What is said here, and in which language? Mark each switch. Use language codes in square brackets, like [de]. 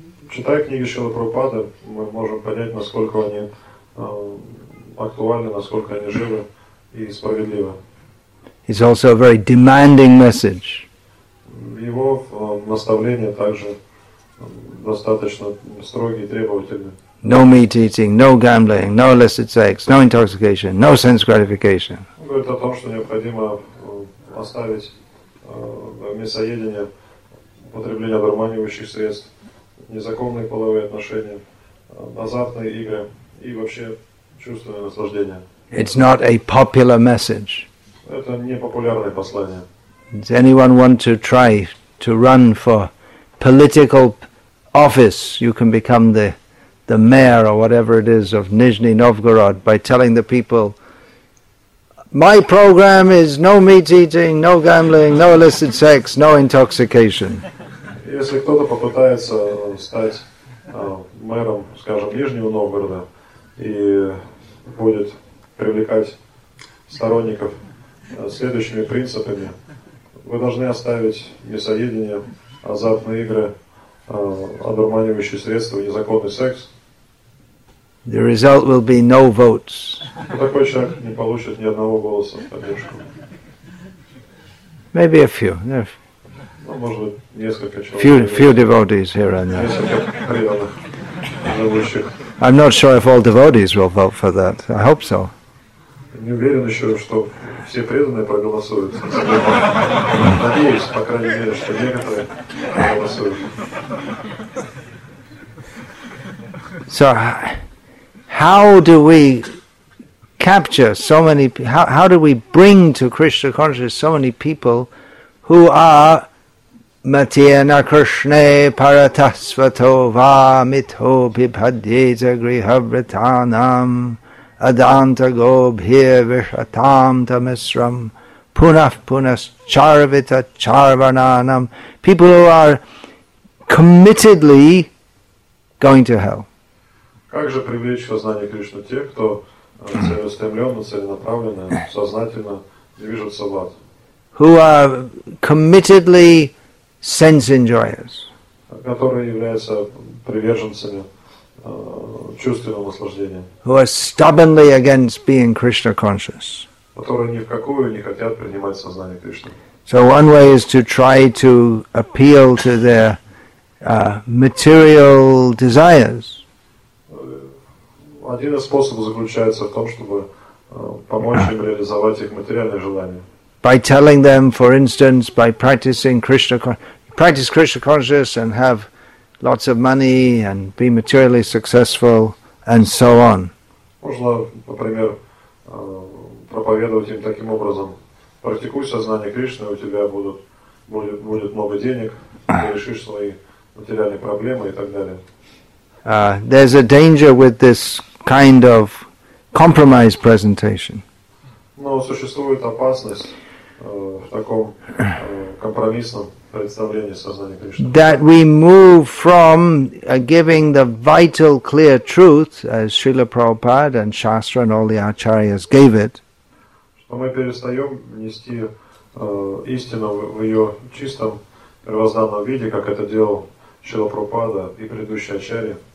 [ru] Читая книги Шрилы Прабхупады, мы можем понять, насколько они актуальны, насколько они живы и справедливы. [en] It's also a very demanding message. [ru] Его наставления также достаточно строгие и требовательные. [en] No meat eating, no gambling, no illicit sex, no intoxication, no sense gratification. [ru] Он говорит о том, что необходимо оставить мясоедение, употребление одурманивающих средств, незаконные половые отношения, азартные игры и вообще чувственное наслаждение. [en] It's not a popular message. [ru] Это не популярное послание. [en] Does anyone want to try to run for political office? You can become the mayor or whatever it is of Nizhny Novgorod by telling the people, my program is no meat eating, no gambling, no illicit sex, no intoxication. [ru] Если кто-то попытается стать мэром, скажем, Нижнего Новгорода и будет привлекать сторонников следующими принципами, вы должны оставить мясоедение, азартные игры, одурманивающие средства, незаконный секс. [en] The result will be no votes. [ru] Такой человек не получит ни одного голоса в поддержку. [en] Maybe a few. [ru] Ну, может быть, несколько человек. [en] Few devotees here and there. [ru] Несколько преданных, живущих. [en] I'm not sure if all devotees will vote for that. I hope so. [ru] Не уверен еще, что все преданные проголосуют. Надеюсь, по крайней мере, что некоторые проголосуют. [en] So, how do we capture so many, how do we bring to Krishna consciousness so many people who are [sa] Matiyana Krishne Paratasvato Vamito Pipadita Grihavritanam Adanta Gobhir Vishatam Tamisram Punaf Punas Charvita Charvananam, [en] people who are committedly going to hell? [ru] Как же привлечь в сознание Кришны тех, кто целеустремленно, целенаправленно, сознательно движется в ад? [en] Who are committedly sense enjoyers? [ru] Которые являются приверженцами чувственного наслаждения. [en] Who are stubbornly against being Krishna conscious? [ru] Которые ни в какую не хотят принимать сознание Кришны. [en] So one way is to try to appeal to their material desires. [ru] Один из способов заключается в том, чтобы помочь им реализовать их материальные желания. [en] By telling them, for instance, by practicing Krishna consciousness and have lots of money and be materially successful and so on. [ru] Можно, например, проповедовать им таким образом: практикуй сознание Кришны, у тебя будет много денег, ты решишь свои материальные проблемы и так далее. [en] There's a danger with this kind of compromise presentation. [ru] Но существует опасность в таком компромиссном представлении сознания Кришны. [en] That we move from giving the vital clear truth, as Srila Prabhupada and Shastra and all the acharyas gave it. [ru] Что мы перестаем нести истину в ее чистом первозданном виде, как это делал Шрила Прабхупада и предыдущие ачарьи.